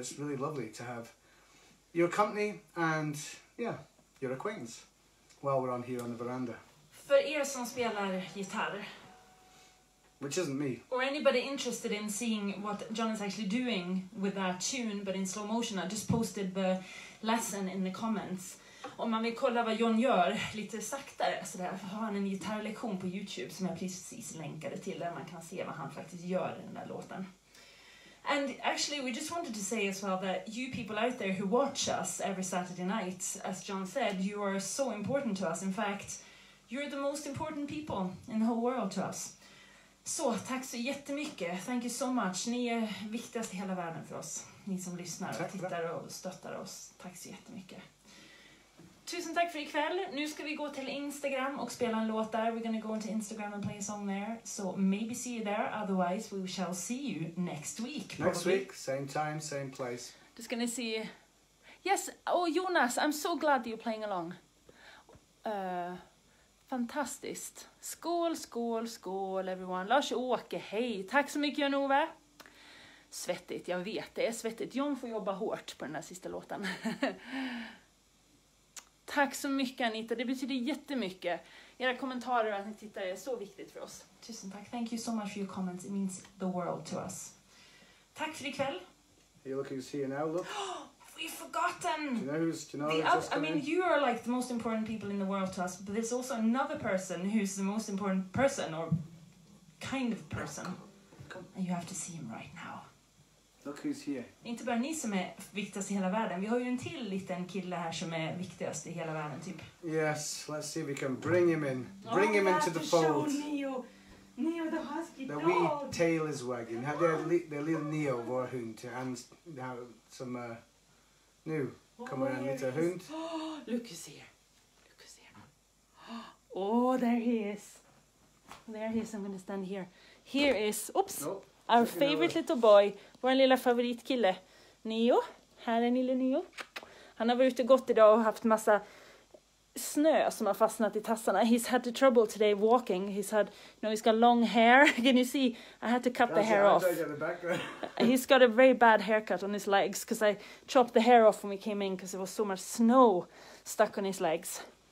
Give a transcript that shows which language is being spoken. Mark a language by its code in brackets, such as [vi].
[en] That's really lovely to have your company and, yeah, your acquaintance while we're on here on the veranda. [sv] For er som spelar gitarr. [en] Which isn't me. Or anybody interested in seeing what John is actually doing with that tune, but in slow motion, I just posted the lesson in the comments. [sv] Om man vill kolla vad John gör lite saktare sådär, för har han en gitarrlektion på YouTube som jag precis länkade till där man kan se vad han faktiskt gör i den där låten. [en] And actually we just wanted to say as well that you people out there who watch us every Saturday night, as John said, you are so important to us. In fact, you're the most important people in the whole world to us. [sv] Så, tack så jättemycket. [en] Thank you so much. [sv] Ni är viktigast i hela världen för oss. Ni som lyssnar och tittar och stöttar oss. Tack så jättemycket. Tusen tack för ikväll. Nu ska vi gå till Instagram och spela en låt där. [en] We're gonna go into Instagram and play a song there. So maybe see you there. Otherwise we shall see you next week. Probably. Next week, same time, same place. Just gonna see you. Yes, oh Jonas, I'm so glad you're playing along. [sv] Fantastiskt. Skål, skål, skål everyone. Lars-Åke, hej. Tack så mycket Jan-Ove. Svettigt, jag vet det är svettigt. John får jobba hårt på den här sista låten. Tack så mycket Anita, det betyder jättemycket. Era kommentarer och att ni tittar är så viktigt för oss. Tusen tack, [en] thank you so much for your comments. It means the world to us. [sv] Tack för ikväll. [en] Are you looking to see her now, look? We've forgotten! Do you know who's, do you know who's coming? You are like the most important people in the world to us, but there's also another person who's the most important person, or kind of person. And you have to see him right now. Look who's here. [sv] Inte bara ni som är viktigast i hela världen. Vi har ju en till liten kille här som är viktigast i hela världen, typ. [en] Yes, let's see if we can bring him in. Bring him into the fold. Show Neo. Neo the husky the dog. The wee tail is wagging. Have the little Neo war hunt and have some new come around with a hunt. Look who's here. Look who's here. Oh, there he is. There he is. I'm going to stand here. Here is, oops. Nope. Our favorite little boy, [sv] vår lilla favoritkille, [en] Neo. [sv] Här är lille Neo. Han har varit ute gott idag och haft massa snö som har fastnat i tassarna. [en] He's had the trouble today walking. He's had, you know, he's got long hair. Can you see? I had to cut the hair off. He's got a very bad haircut on his legs because I chopped the hair off when we came in because there was so much snow stuck on his legs.